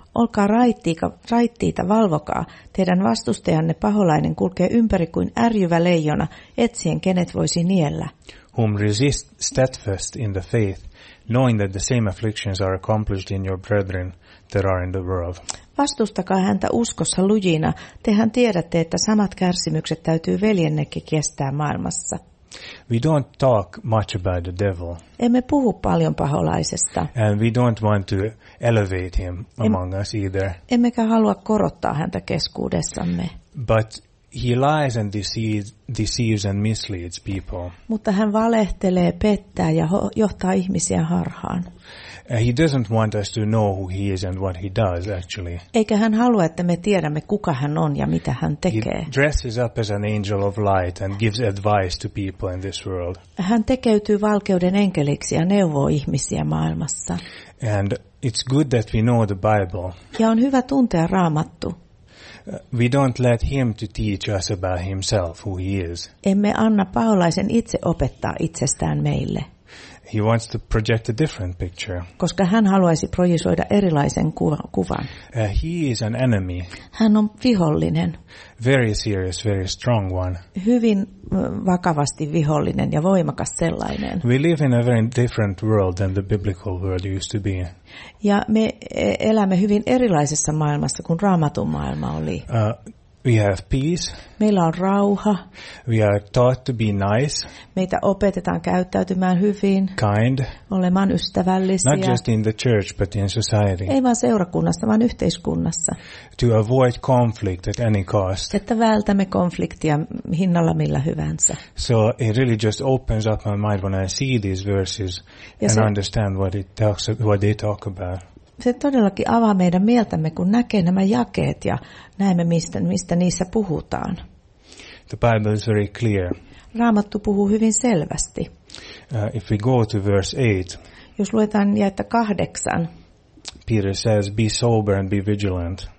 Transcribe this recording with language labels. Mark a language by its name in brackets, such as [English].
[Finnish] Olkaa raittiita, valvokaa. Teidän vastustajanne paholainen kulkee ympäri kuin ärjyvä leijona, etsien kenet voisi niellä. [English] Whom resist steadfast in the faith, knowing that the same afflictions are accomplished in your brethren that are in the world. [Finnish] Vastustakaa häntä uskossa lujina. Tehän tiedätte, että samat kärsimykset täytyy veljennekin kestää maailmassa. [English] We don't talk much about the devil. [Finnish] Emme puhu paljon paholaisesta. [English] And we don't want to elevate him among us either. [Finnish] Emmekä halua korottaa häntä keskuudessamme. [English] But he lies and deceives and misleads people. [Finnish] Mutta hän valehtelee, pettää ja johtaa ihmisiä harhaan. [English] He doesn't want us to know who he is and what he does, actually. [Finnish] Eikä hän halua, että me tiedämme, kuka hän on ja mitä hän tekee. [English] He dresses up as an angel of light and gives advice to people in this world. [Finnish] Hän tekeytyy valkeuden enkeliksi ja neuvoo ihmisiä maailmassa. [English] And it's good that we know the Bible. [Finnish] Ja on hyvä tuntea Raamattu. [English] We don't let him to teach us about himself, who he is. [Finnish] Emme anna paholaisen itse opettaa itsestään meille. [English] He wants to project a different picture. [Finnish] Koska hän haluaisi projisoida erilaisen kuvan. [English] He is an enemy. [Finnish] Hän on vihollinen. [English] Very serious, very strong one. [Finnish] Hyvin vakavasti vihollinen ja voimakas sellainen. [English] We live in a very different world than the biblical world used to be. [Finnish] Ja me elämme hyvin erilaisessa maailmassa kuin Raamatun maailma oli. [English] We have peace. [Finnish] Meillä on rauha. [English] We are taught to be nice. [Finnish] Meitä opetetaan käyttäytymään hyvin. [English] Kind. [Finnish] Olemaan ystävällisiä. [English] Not just in the church, but in society. [Finnish] Ei vaan seurakunnassa, vaan yhteiskunnassa. [English] To avoid conflict at any cost. [Finnish] Että vältämme konfliktia hinnalla millä hyvänsä. [English] So it really just opens up my mind when I see these verses and understand what they talk about. [Finnish] Se todellakin avaa meidän mieltämme, kun näkee nämä jakeet ja näemme, mistä niissä puhutaan. [English] The Bible is very clear. [Finnish] Raamattu puhuu hyvin selvästi. [English] If we go to verse 8. [Finnish] Jos luetaan jaetta 8. [English] Peter says, be sober and be vigilant.